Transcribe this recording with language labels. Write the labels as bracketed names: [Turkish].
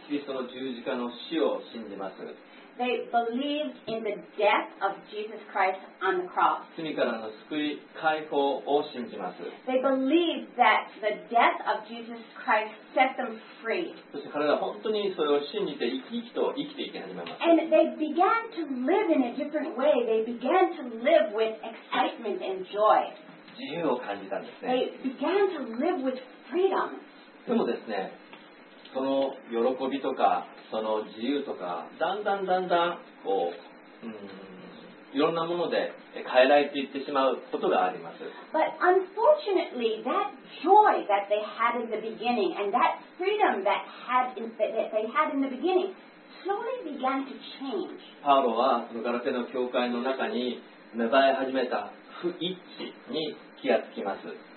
[Japanese] キリストの十字架の死を信じます。 [English] They believed in the death of Jesus Christ on the cross. [Japanese] 罪からの救い、解放を信じます。 [English] They believed that the death of Jesus Christ set them free. [Japanese] そして彼らは本当にそれを信じて生き生きと生きていき始めます。 [English] And they began to live in a different way. They began to live with excitement and joy. [Japanese] 自由を感じたんですね。 [English] They began to live with freedom. [Japanese] でもですね、その喜びとかその自由とかだんだんだんだんこう、いろんなもので変えられていってしまうことがあります。 [English] But unfortunately, that joy that they had in the beginning and that freedom that they had in the beginning slowly began to change. [Japanese] パウロはそのガラテの教会の中に芽生え始めた不一致に気がつきます。